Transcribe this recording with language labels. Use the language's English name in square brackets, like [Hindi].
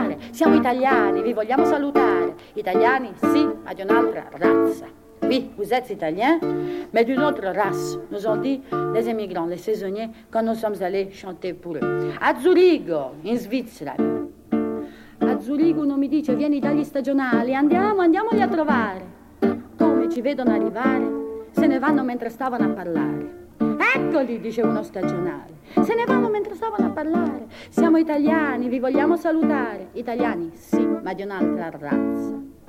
[Italian] Siamo italiani, vi vogliamo salutare. Italiani, sì, ma di un'altra razza. [French] Oui, vous êtes italien, mais d'une autre race, nous ont dit les émigrants, les saisonniers, quand nous sommes allés chanter pour eux. [Italian] A Zurigo, in Svizzera. A Zurigo non mi dice, vieni dagli stagionali, andiamo, andiamoli a trovare. Come ci vedono arrivare, se ne vanno mentre stavano a parlare. Eccoli, dice uno stagionale. Se ne vanno mentre stavano a parlare. Siamo italiani, vi vogliamo salutare. Italiani, sì, ma di un'altra razza.